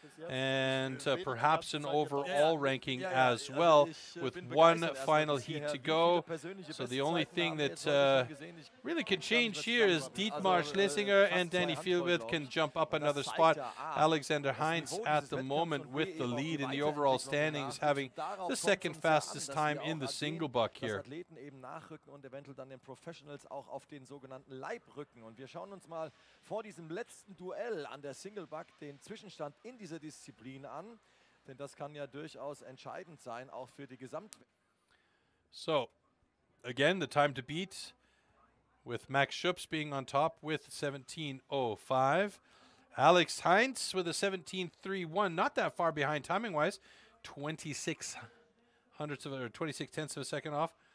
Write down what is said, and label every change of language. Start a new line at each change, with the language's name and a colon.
English: And perhaps an overall ranking as well, with one final heat to go. So the only thing that really can change here is Dietmar Schlesinger and Danny Fielwirth can jump up another spot. Alexander Heinz at the moment with the lead in the overall standings, having the second fastest time in the single buck here.
German: Athleten eben nachrücken und eventuell dann den Professionals auch auf den sogenannten Leibrücken. Und wir schauen uns mal vor diesem letzten Duell an der Single Buck den Zwischenstand in dieser Disziplin an, denn das kann ja durchaus entscheidend sein auch für die Gesamt.
English: So, again the time to beat with Max Schupps being on top with 17:05. Alex Heinz with a 17:31, not that far behind timing wise, 26 tenths of a second off.